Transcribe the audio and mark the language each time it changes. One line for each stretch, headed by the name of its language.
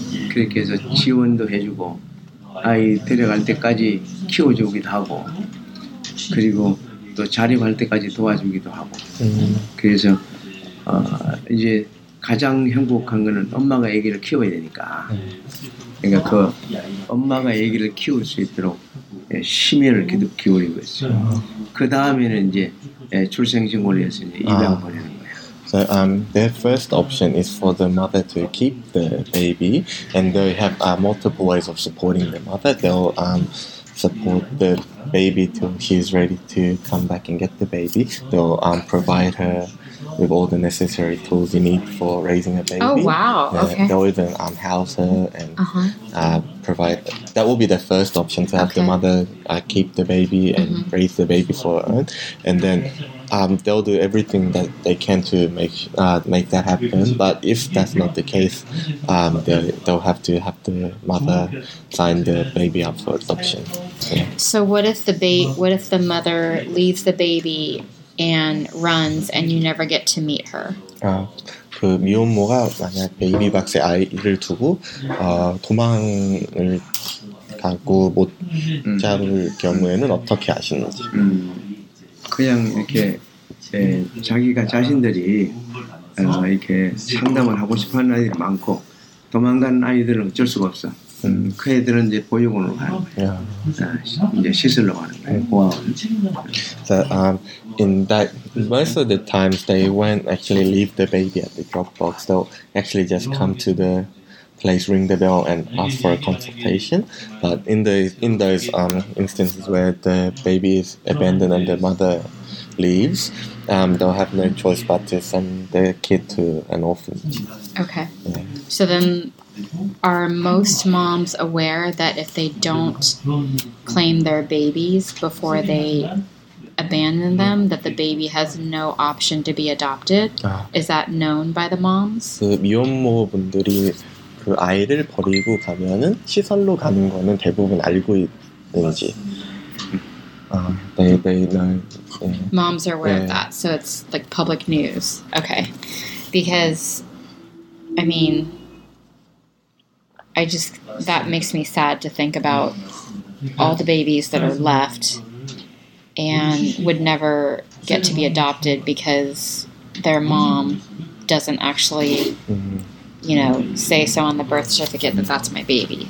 Korean: 그렇게 해서 지원도 해주고 아이 데려갈 때까지 키워주기도 하고 그리고 또 자립할 때까지 도와주기도 하고 그래서 이제 가장 행복한 거는 엄마가 아기를 키워야 되니까 그러니까 그 엄마가 아기를 키울 수 있도록 심혈을 계속 기울이고 있어요. 그 다음에는 이제 출생신고를 해서 입양 보내는 거예요.
English: So their first option is for the mother to keep the baby, and they have multiple ways of supporting the mother. They'll support the baby till she's ready to come back and get the baby. They'll provide her with all the necessary tools you need for raising a baby. Oh, wow. Okay. They'll even house her and provide. That will be the first option, to have the mother keep the baby and raise the baby for her own. And then they'll do everything that they can to make that happen. But if that's not the case, they'll have to have the mother sign the baby up for adoption. Yeah. So what if the mother leaves the baby and runs and you never get to meet her?
Korean: 그 미혼모가 만약 베이비 박스에 아이를 두고 도망을 가고 못 잡을 경우에는 어떻게 하시는지? 그냥 이렇게 자기가 자신들이 이렇게 상담을 하고 싶어하는 아이들이 많고 도망가는 아이들은 어쩔 수가 없어. 그 애들은 이제 보육원으로 가는 거야. Yeah. 이제 시설로 가는 거야.
English: In that, most of the times they won't actually leave the baby at the drop box. They'll actually just come to the place, ring the bell, and ask for a consultation. But in those instances where the baby is abandoned and the mother leaves, they'll have no choice but to send their kid to an orphanage. Okay. Yeah. So then, are most moms aware that if they don't claim their babies before they abandon them, that the baby has no option to be adopted? Is that known by the moms?
Korean: 그 미혼모분들이 그 아이를 버리고 가면은 시설로 가는 거는 대부분 알고 있는지.
English: They know. Yeah. Moms are aware of that, so it's like public news. Okay, because I mean, I just, that makes me sad to think about all the babies that are left and would never get to be adopted because their mom doesn't actually, you know, say so on the birth certificate that that's my baby.